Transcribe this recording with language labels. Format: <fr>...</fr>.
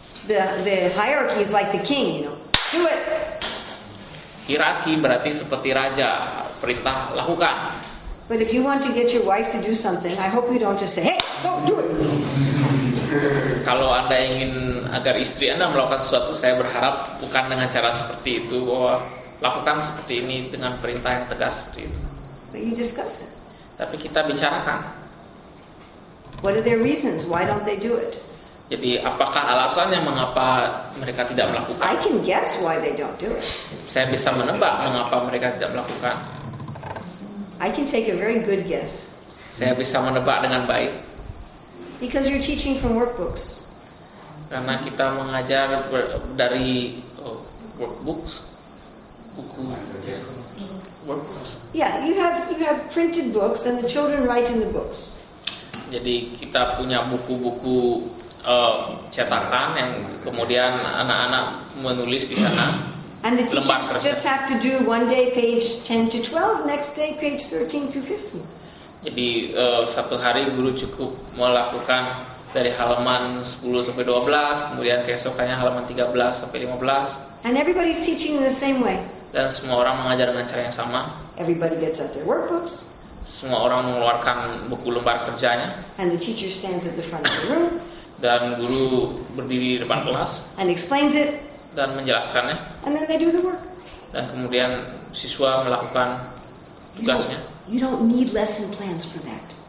<en>The hierarchy is like the king, you know. Do it.</en> <id>Hierarki berarti seperti raja, perintah lakukan.</id> <en>But if you want to get your wife to do something, I hope you don't just say, "Hey, go do it."</en> <id>Kalau Anda ingin agar istri Anda melakukan sesuatu, saya berharap bukan dengan cara seperti itu, bahwa lakukan seperti ini dengan perintah yang tegas seperti itu.</id> <en>But you discuss it.</en> <id>Tapi kita bicarakan.</id> <en>What are their reasons? Why don't they do it?</en> <id>Jadi apakah alasannya mengapa mereka tidak melakukan?</id> <en>I can guess why they don't do it.</en> <id>Saya bisa menebak mengapa mereka tidak melakukan.</id> <en>I can take a very good guess.</en> <id>Saya bisa menebak dengan baik.</id> <en>Because you're teaching from workbooks.</en> <id>Karena kita mengajar dari workbooks. Buku. Workbooks.</id> <en>Yeah, you have printed books and the children write in the books.</en> <id>Jadi kita punya buku-buku cetakan yang kemudian anak-anak menulis di sana.</id> <en>And the teachers just have to do one day page 10 to 12, next day page 13 to 15.</en> <id>Jadi satu hari guru cukup melakukan dari halaman 10 sampai 12, kemudian keesokannya halaman 13 sampai 15.</id> <en>And everybody's teaching in the same way.</en> <id>Dan semua orang mengajar dengan cara yang sama.</id> <en>Everybody gets out their workbooks.</en> <id>Semua orang mengeluarkan buku lembar kerjanya.</id> <en>And the teacher stands at the front of the room.</en> <id>Dan guru berdiri di depan kelas.</id> <en>And explains it.</en> <id>Dan menjelaskannya.</id> <en>And then they do the work.</en> <id>Dan kemudian siswa melakukan tugasnya.</id> <en>You don't need lesson plans for that.</en>